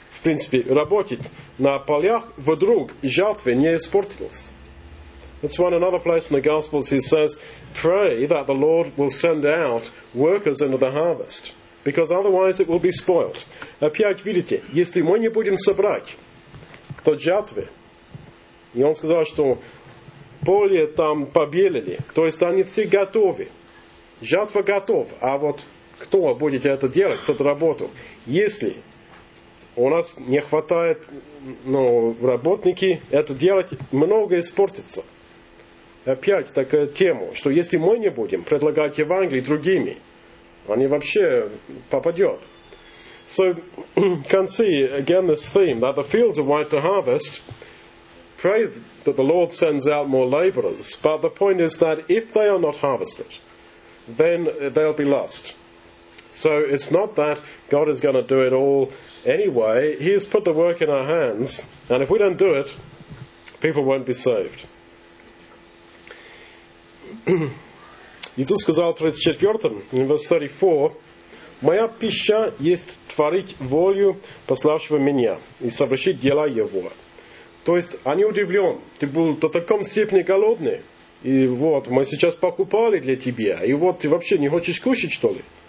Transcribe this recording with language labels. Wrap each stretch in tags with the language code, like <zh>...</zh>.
<ru>В принципе, работать на полях, вдруг жатвы не испортилось.</ru> <en>That's one another place in the Gospels he says, pray that the Lord will send out workers into the harvest, because otherwise it will be spoiled.</en> <ru>Опять видите, если мы не будем собрать, то жатвы. И он сказал, что поле там побелили, то есть они все готовы. Жатва готов, а вот кто будет это делать, тот работу. Если у нас не хватает работники, это делать много испортится. Опять такая тема, что если мы не будем предлагать Евангелие другими, они вообще попадет.</ru> <en>So, can see again this theme, that the fields are white to harvest. Pray that the Lord sends out more laborers, but the point is that if they are not harvested, then they'll be lost. So it's not that God is going to do it all anyway. He has put the work in our hands, and if we don't do it, people won't be saved.</en> <ru>Иисус сказал 34,</ru> <en>in verse 34,</en> <ru>«Моя пища есть творить волю пославшего меня и совершить дела его». То есть, они удивлены. Ты был до таком степени голодный. И вот, мы сейчас покупали для тебя. И вот, ты вообще не хочешь кушать, что ли?</ru>